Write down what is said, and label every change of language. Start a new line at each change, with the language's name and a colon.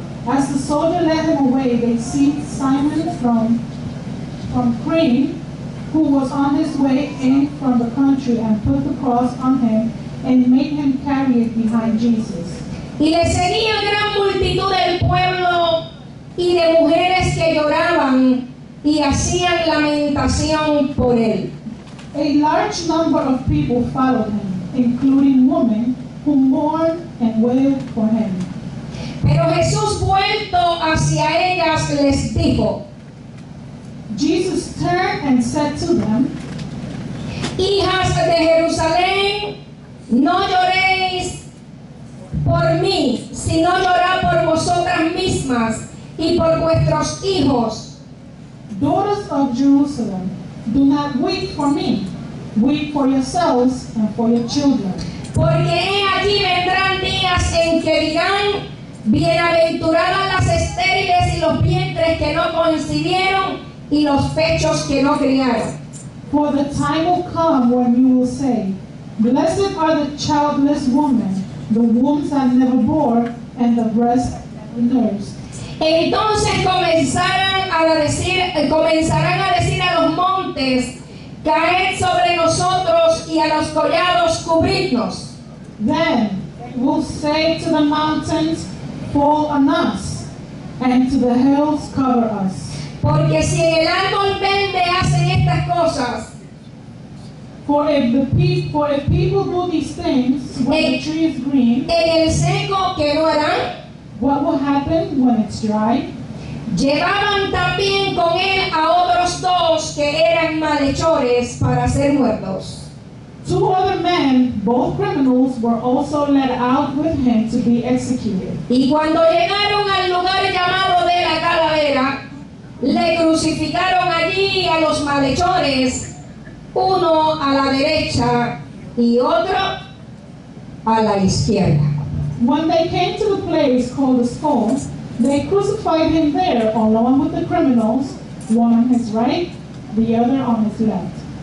English: As the soldier led them away, they seized Simon from Cyrene, who was on his way in from the country, and put the cross on him and made him carry it behind Jesus.
Spanish: Y le seguía gran multitud del pueblo y de mujeres que lloraban y hacían lamentación por él.
English: A large number of people followed him, including women who mourned and wept for him.
Spanish: Pero Jesús, vuelto hacia ellas, les dijo.
English: Jesus turned and said to them,
Spanish: hijas de Jerusalén, no lloréis por mí, sino llorar por vosotras mismas y por vuestros hijos.
English: Daughters of Jerusalem, do not weep for me. Weep for yourselves and for your children.
Spanish: Porque he aquí vendrán días en que dirán, bienaventuradas las estériles y los vientres que no concibieron y los pechos que no criaron.
English: For the time will come when you will say, blessed are the childless women, the wombs that never bore, and the breast that never nursed.
Spanish: Entonces comenzarán a decir a los montes, caed sobre nosotros, y a los collados, cubridnos.
English: Then we'll say to the mountains, fall on us, and to the hills, cover us.
Spanish: Porque si en el árbol verde hacen estas cosas,
English: For if people do these things when the tree is green,
Spanish: en el seco, ¿qué no harán?
English: What will happen when it's dry?
Spanish: Llevaban también con él a otros dos que eran malhechores para ser muertos.
English: Two other men, both criminals, were also led out with him to be executed.
Spanish: Y cuando llegaron al lugar llamado de la calavera, le crucificaron allí a los malhechores, uno a la derecha y otro a la izquierda.
English: When they came to the place called the Skull, they crucified him there along with the criminals, one on his right, the other on his left.